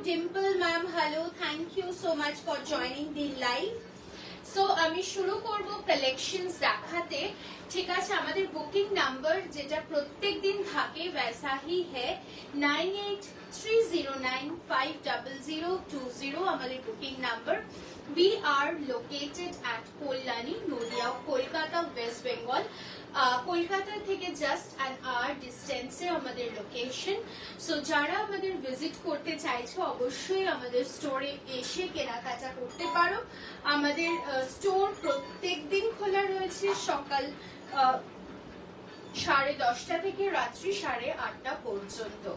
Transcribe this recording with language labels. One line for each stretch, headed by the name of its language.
English: Dimple ma'am hello, thank you so much for joining the live.
Bangla: So আমি শুরু করব collections দেখাতে। ঠিক আছে, আমাদের বুকিং নাম্বার যেটা প্রত্যেক দিন থাকে
Hindi: ওয়েসাহি হ্যায়
Bangla: 9830950020, আমাদের booking number.
English: We are located at Kollani, Nodia, Kolkata, West Bengal.
Bangla: Kolkata থেকে just an hour distance আমাদের location. So যারা আমাদের visit করতে চাইছো অবশ্যই আমাদের store এসে কেনাকাটা করতে পারো। আমাদের store প্রত্যেক দিন খোলা রয়েছে সকাল 10:30 থেকে রাত্রি 8:30 পর্যন্ত।